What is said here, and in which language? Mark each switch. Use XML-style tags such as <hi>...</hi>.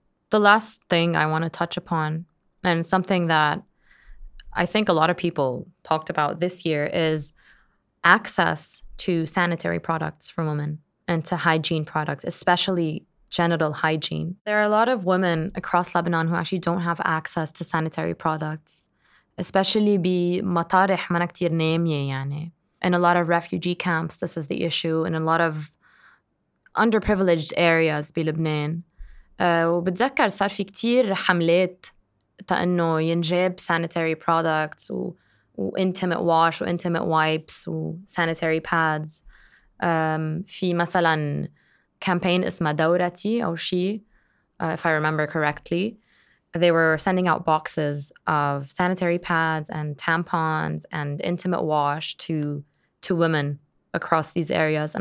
<en>The last thing I want to touch upon, and something that I think a lot of people talked about this year, is access to sanitary products for women and to hygiene products, especially genital hygiene. There are a lot of women across Lebanon who actually don't have access to sanitary products, especially bi matarih mana ktir namiye yani. In a lot of refugee camps, this is the issue. In a lot of underprivileged areas bi Lebanon.</en> <ar>وبتذكر صار في كتير حملات تأنه ينجيب sanitary products و intimate wash و intimate wipes و sanitary pads.</ar> <en>في مثلا campaign اسمه دورتي أو شي, if I remember correctly, they were sending out boxes of sanitary pads and tampons and intimate wash to women across these areas.</en>